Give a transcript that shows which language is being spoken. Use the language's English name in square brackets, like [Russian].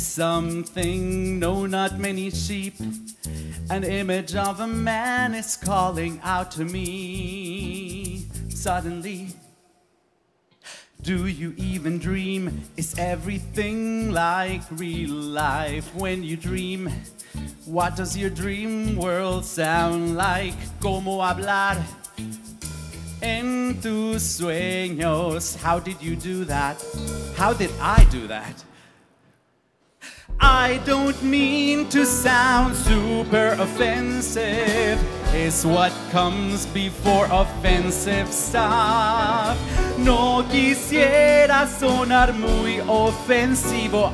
[English] Something. No, not many sheep. An image of a man is calling out to me. Suddenly, do you even dream? Is everything like real life when you dream? What does your dream world sound like? [Spanish] Como hablar en tus sueños? [English] How did you do that? How did I do that? I don't mean to sound super offensive. It's what comes before offensive stuff. [Spanish] No quisiera sonar muy ofensivo.